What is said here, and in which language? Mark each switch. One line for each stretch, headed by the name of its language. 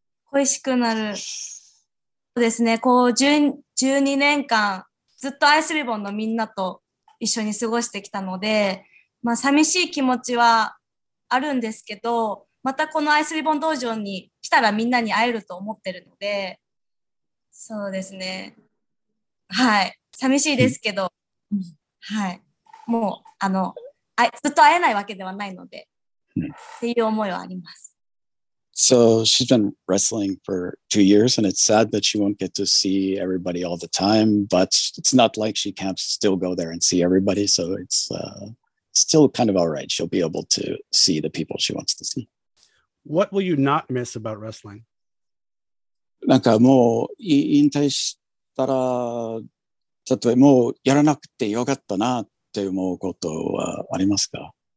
Japanese: 恋しくなるそうですね、こう12年間ずっとアイスリボンのみんなと一緒に過ごしてきたので、まあ寂しい気持ちはあるんですけど、またこのアイスリボン道場に来たらみんなに会えると思ってるので、そうですね、はい、寂しいですけど、はい、もうずっと会えないわけではないので、っていう思いはあります。
English: So she's been wrestling for 2 years and it's sad that she won't get to see everybody all the time, but it's not like she can't still go there and see everybody, so it's still kind of alright, she'll be able to see the people she wants to see. What will you not miss about wrestling?
Japanese: なんかもう引退したら、例えばもうやらなくてよかったなって思うことはありますか？